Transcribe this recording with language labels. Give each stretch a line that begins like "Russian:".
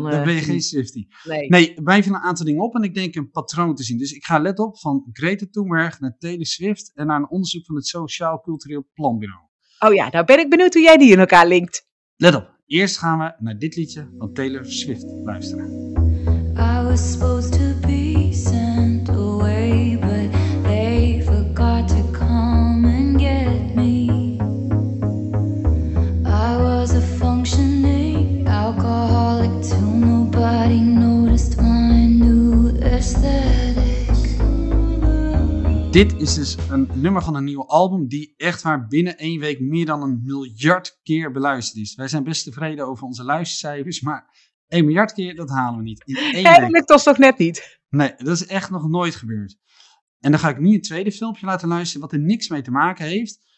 Dutch: Dan ben je geen Swiftie. Nee, wij vinden een aantal dingen op en ik denk een patroon te zien. Dus ik ga let op van Greta Thunberg naar Taylor Swift en naar een onderzoek van het Sociaal Cultureel Planbureau. Oh ja, nou ben ik benieuwd hoe jij die in elkaar linkt. Let op, eerst gaan we naar dit liedje van Taylor Swift luisteren.
English: I was supposed to be sent away, but they forgot to come and get me. I was a functioning alcoholic till nobody noticed my new aesthetic.
Dutch: Dit is dus een nummer van een nieuw album die echt waar binnen één week meer dan 1 miljard keer beluisterd is. Wij zijn best tevreden over onze luistercijfers, maar 1 miljard keer, dat halen we niet. Eigenlijk was toch net niet? Nee, dat is echt nog nooit gebeurd. En dan ga ik nu een tweede filmpje laten luisteren wat er niks mee te maken heeft.